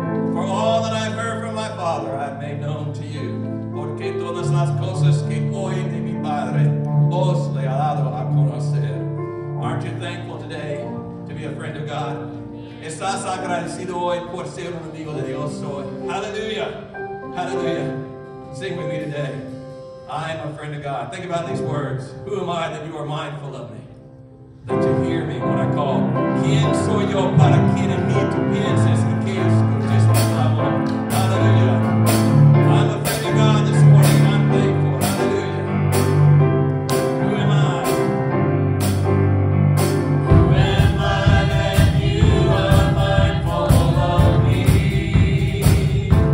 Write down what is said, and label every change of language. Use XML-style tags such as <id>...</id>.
<en>For all that I've heard from my Father, I've made known to you.</en> <es>Porque todas las cosas que oí de mi Padre, os le ha dado a conocer.</es> <en>Aren't you thankful today to be a friend of God?</en> <es>¿Estás agradecido hoy por ser un amigo de Dios hoy?</es> <en>Hallelujah! Hallelujah! Sing with me today. I am a friend of God. Think about these words. Who am I that you are mindful of me? That you hear me when I call.</en> <es>¿Quién soy yo para que en mí tú pienses y que escuches mi palabra?</es> <en>Hallelujah. I'm a friend of God this morning and I'm thankful. Hallelujah. Who am I? Who am I that you are mindful of me?</en>